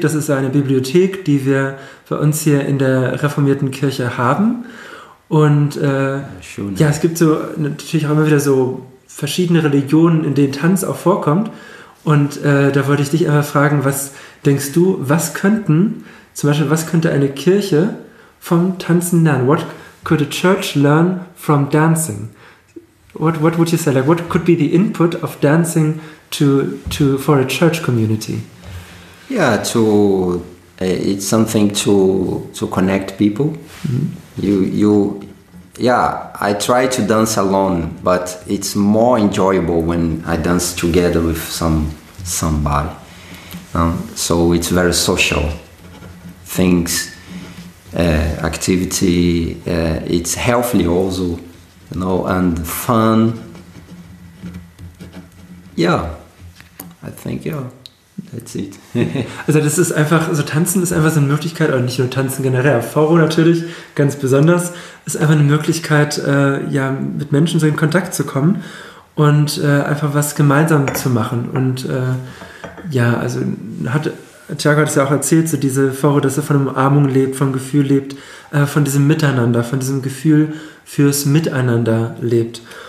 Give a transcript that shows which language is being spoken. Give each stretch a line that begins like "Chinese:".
German: Das ist eine Bibliothek, die wir bei uns hier in der reformierten Kirche haben. Und es gibt so natürlich auch immer wieder so verschiedene Religionen, in denen Tanz auch vorkommt. Und da wollte ich dich einmal fragen, was denkst du, was könnte eine Kirche vom Tanzen lernen?
English: What could a church learn from dancing? What would you say? Like, what could be the input of dancing to for a church community? Yeah, it's something to connect people. Mm-hmm. I try to dance alone, but it's more enjoyable when I dance together with somebody. So it's very social things. Activity, it's healthy also, you know, and fun. Yeah, I think, yeah, that's it.
German: Also das ist einfach, so Tanzen ist einfach so eine Möglichkeit, oder nicht nur Tanzen generell, Forró natürlich, ganz besonders, ist einfach eine Möglichkeit, mit Menschen so in Kontakt zu kommen und einfach was gemeinsam zu machen. Und Tiago hat es ja auch erzählt, so diese Forró, dass er von Umarmung lebt, vom Gefühl lebt, von diesem Miteinander, von diesem Gefühl fürs Miteinander lebt.